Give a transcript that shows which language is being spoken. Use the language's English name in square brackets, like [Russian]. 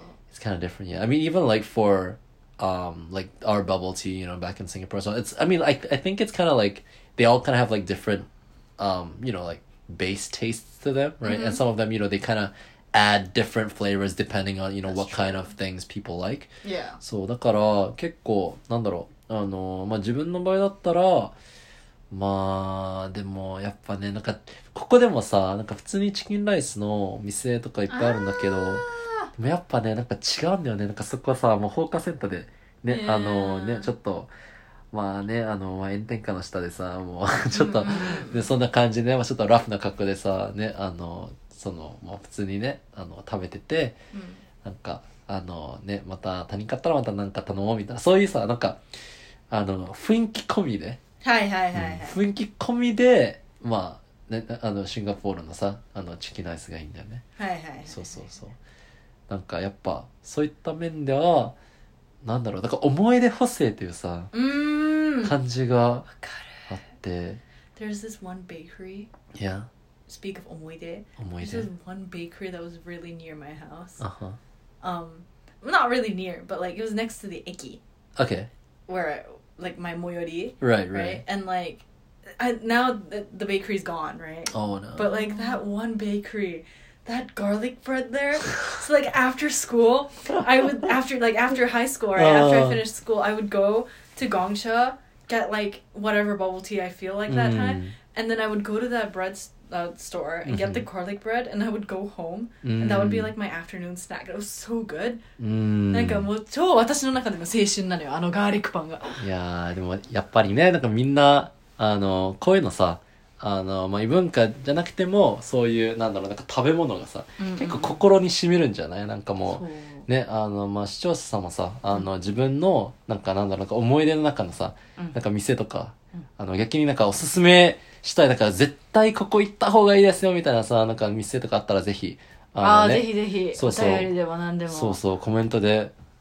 [English] It's kind of different, yeah. I mean, even like for like our bubble tea, you know, back in Singapore. So it's, I mean, I think it's kind of like, they all kind of have like different, you know, like base tastes to them, right? Mm-hmm. And some of them, you know, they kind of add different flavors depending on, you know, that's what true. Kind of things people like. Yeah. [Japanese] So, だから、結構、なんだろう。まあ、自分の場合だったら、まあ、でも、やっぱね、なんか、ここでもさ、なんか普通にチキンライスの店とかいっぱいあるんだけど、でもやっぱね、なんか違うんだよね。なんかそこはさ、もう放火センターで、ね、ちょっと、 まあね、炎天下の下でさ、もう、ちょっと、で、そんな感じで、ちょっとラフな格好でさ、ね、その、まあ普通にね、食べてて、なんか、ね、また他人買ったらまた何か頼もうみたいな、そういうさ、なんか、雰囲気込みで。はいはいはい。雰囲気込みで、まあ、ね、シンガポールのさ、チキンライスがいいんだよね。はいはい。そうそうそう。なんか、やっぱ、そういった面では、 なんだろう、なんか思い出補正っていうさ、感じがあって。 [English] There's this one bakery. Yeah. Speak of 思い出. [Japanese] 思い出. [English] There's this one bakery that was really near my house. Uh-huh. Not really near, but like it was next to the 駅. Okay. Where, like my 最寄り. Right. And like, now the bakery's gone, right? Oh no. But like that one bakery, that garlic bread there. So like after school, I would, after high school, right, after I finished school, I would go to Gongcha, get like whatever bubble tea I feel like that time. And then I would go to that bread store and get the garlic bread, and I would go home. And that would be like my afternoon snack. It was so good. [Japanese] なんかもう超私の中でも青春なのよ、あのガーリックパンが。いやでもやっぱりね、なんかみんなこういうのさ、異文化じゃなくても、そういう、なんだろう、なんか食べ物がさ、結構心に染みるんじゃない？なんかもう、ね、視聴者様さ、自分の、なんかなんだろう、思い出の中のさ、なんか店とか、逆になんかおすすめしたい、なんか絶対ここ行った方がいいですよ、みたいなさ、なんか店とかあったらぜひ、ぜひぜひ、お便りでも何でも。そうそう、コメントで、